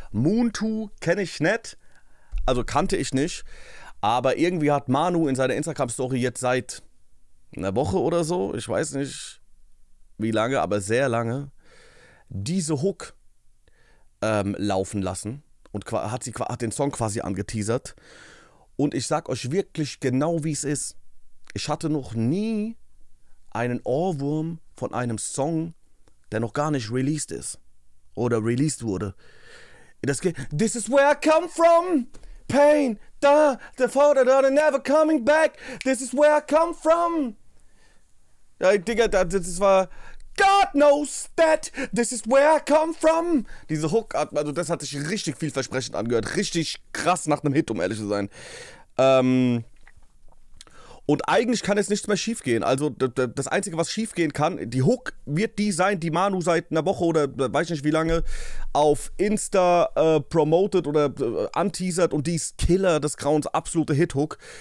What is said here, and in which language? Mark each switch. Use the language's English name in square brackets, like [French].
[German] Moontoo kenne ich nicht, also kannte ich nicht, aber irgendwie hat Manu in seiner Instagram-Story jetzt seit einer Woche oder so, ich weiß nicht wie lange, aber sehr lange, diese Hook laufen lassen und hat den Song quasi angeteasert. Und ich sag euch wirklich genau, wie es ist. Ich hatte noch nie einen Ohrwurm von einem Song, der noch gar nicht released ist oder released wurde. Das geht, [English] this is where I come from, pain, da, the father, da, the never coming back, this is where I come from. [German] Ja, Digga, das war, [English] God knows that, this is where I come from. [German] Diese Hook, also das hat sich richtig vielversprechend angehört, richtig krass nach einem Hit, um ehrlich zu sein. Und eigentlich kann jetzt nichts mehr schief gehen. Also das Einzige, was schief gehen kann, die Hook wird die sein, die Manu seit einer Woche oder weiß nicht wie lange auf Insta promoted oder anteasert, und die ist Killer des Grauens, absolute Hit-Hook.